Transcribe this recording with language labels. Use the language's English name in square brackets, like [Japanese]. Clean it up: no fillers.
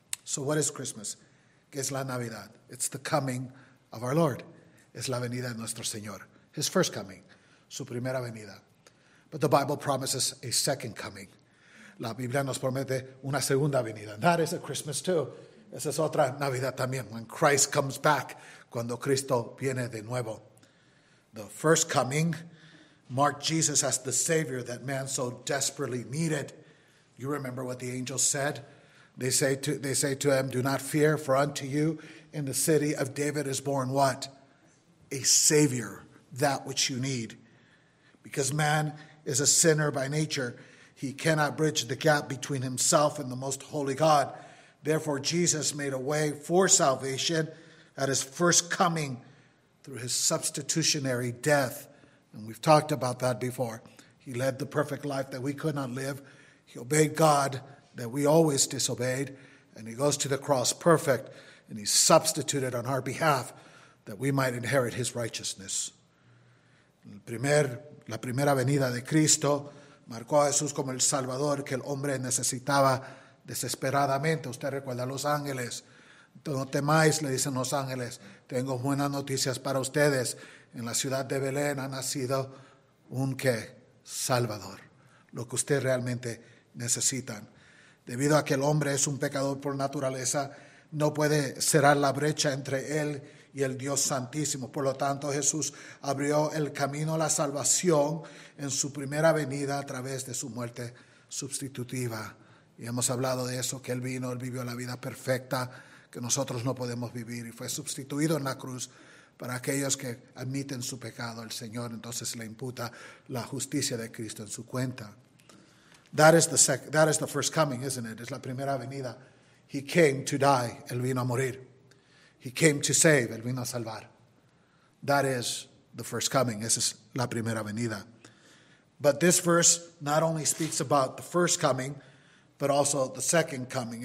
[English] So what is Christmas? [Spanish] ¿Qué es la Navidad? [English] It's the coming of our Lord. [Spanish] Es la venida de nuestro Señor. [English] His first coming. [Spanish] Su primera venida. [English] But the Bible promises a second coming. [Spanish] La Biblia nos promete una segunda venida. [English] And that is a Christmas too. [Spanish] Esa es otra Navidad también. [English] When Christ comes back, [Spanish] cuando Cristo viene de nuevo. [English] The first coming marked Jesus as the Savior that man so desperately needed. You remember what the angels said? They say to him, "Do not fear, for unto you in the city of David is born what? A Savior, that which you need." Because man is a sinner by nature, he cannot bridge the gap between himself and the most holy God. Therefore, Jesus made a way for salvation at his first coming through his substitutionary death. And we've talked about that before. He led the perfect life that we could not live. He obeyed God that we always disobeyed. And he goes to the cross perfect, and he substituted on our behalf that we might inherit his righteousness. [Spanish] La primera venida de Cristo marcó a Jesús como el Salvador que el hombre necesitaba desesperadamente. Usted recuerda a los ángeles. No temáis, le dicen los ángeles. Tengo buenas noticias para ustedes. En la ciudad de Belén ha nacido un que Salvador. Lo que ustedes realmente necesitan. Debido a que el hombre es un pecador por naturaleza, no puede cerrar la brecha entre él y el Dios Santísimo. Por lo tanto, Jesús abrió el camino a la salvación en su primera venida a través de su muerte sustitutiva. Y hemos hablado de eso, que él vivió la vida perfecta que nosotros no podemos vivir, y fue sustituido en la cruz para aquellos que admiten su pecado. El Señor entonces le imputa la justicia de Cristo en su cuenta. [English] That is the first coming, isn't it? [Spanish] Es la primera venida. [English] He came to die. [Spanish] Él vino a morir. [English] He came to save, [Spanish] él vino a salvar. [English] That is the first coming, [Spanish] esa es la primera venida. [English] But this verse not only speaks about the first coming, but also the second coming.